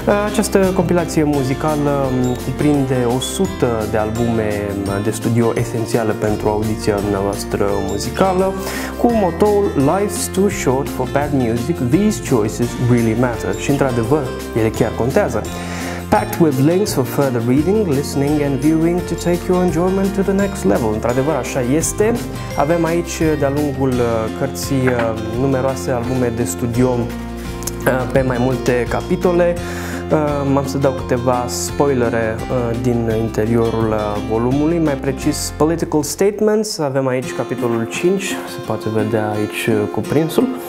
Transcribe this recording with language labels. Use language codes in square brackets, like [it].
[ro] Această compilație muzicală cuprinde 100 de albume de studio esențiale pentru audiția noastră muzicală, cu motoul [en] Life's too short for bad music, these choices really matter. [ro] Și într-adevăr, ele chiar contează. [en] Packed with links for further reading, listening and viewing to take your enjoyment to the next level. [ro] Într-adevăr, așa este. Avem aici, de-a lungul cărții, numeroase albume de studio pe mai multe capitole. M-am să dau câteva spoilere din interiorul volumului, mai precis Political Statements, avem aici capitolul 5, se poate vedea aici cuprinsul.